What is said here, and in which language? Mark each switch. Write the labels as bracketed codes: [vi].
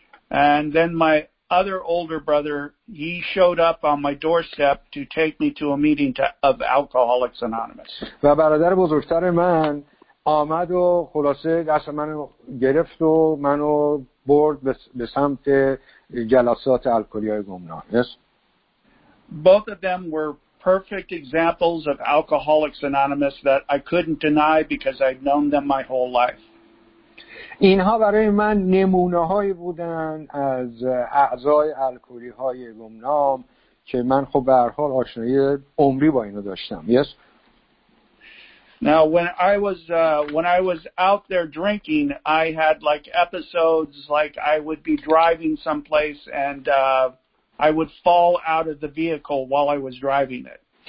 [en] And then my other older brother, he showed up on my doorstep to take me to a meeting of Alcoholics Anonymous. [fa] و برادر بزرگتر من آمد و خلاصه دست منو گرفت و منو برد به سمت جلسات الکلی‌های گمنام. [en] Yes. Both of them were perfect examples of Alcoholics Anonymous that I couldn't deny because I'd known them my whole life. [fa] اینها برای من نمونه‌هایی بودند از اعضای الکلی‌های گمنام که من خب به هر حال آشنایی عمری با اینا داشتم. [en] Yes. Now when I was out there drinking, I had like episodes like I would be driving someplace and I would fall out of the vehicle while I was driving it.